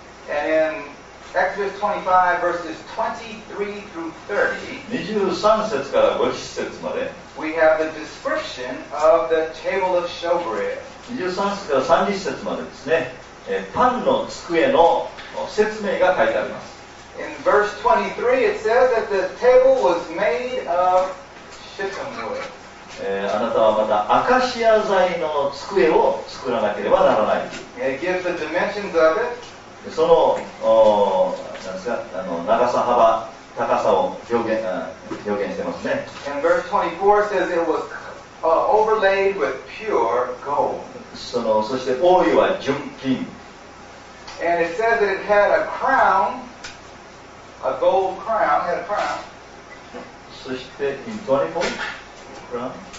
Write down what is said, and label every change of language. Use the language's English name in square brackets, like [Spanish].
[English] And in Exodus 25, verses 23 through 30, [Japanese] 23節から50節まで [English] we have the description of the table of showbread. [Japanese] 23節から30節までですね、パンの机の説明が書いてあります。 [English] In verse 23, it says that the table was made of shittim wood. [Japanese] あなたはまたアカシア材の机を作らなければならない。 [English] It gives the dimensions of it. [Japanese] その、なんですか、あの長さ幅高さを表現してますね。 [English] And verse 24 says it was overlaid with pure gold. [Japanese] そして覆いは純金。 [English] And it says that it had a crown, a gold crown, had a crown. [Japanese] そして [English] in 24, crown.